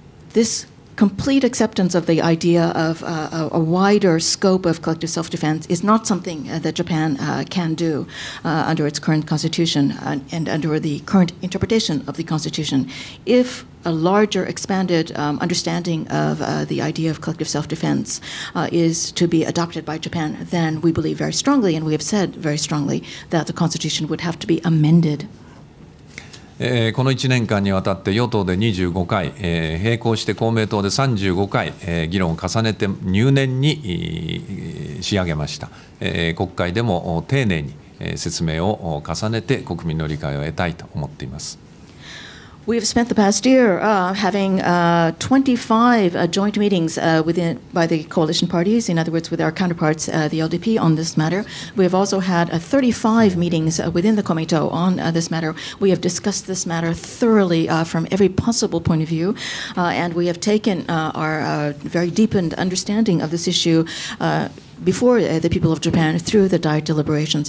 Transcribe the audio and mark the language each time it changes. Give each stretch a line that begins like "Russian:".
English: This complete acceptance of the idea of a wider scope of collective self-defense is not something that Japan can do under its current constitution and under the current interpretation of the constitution. If a larger expanded understanding of the idea of collective self-defense is to be adopted by Japan, then we believe very strongly, and we have said very strongly, that the constitution would have to be amended.
Japanese: この1年間にわたって与党で25回、並行して公明党で35回、議論を重ねて入念に仕上げました。国会でも丁寧に説明を重ねて国民の理解を得たいと思っています。
English: We have spent the past year having 25 joint meetings by the coalition parties, in other words, with our counterparts, the LDP, on this matter. We have also had 35 meetings within the Komeito on this matter. We have discussed this matter thoroughly from every possible point of view, and we have taken our very deepened understanding of this issue before the people of Japan through the Diet deliberations.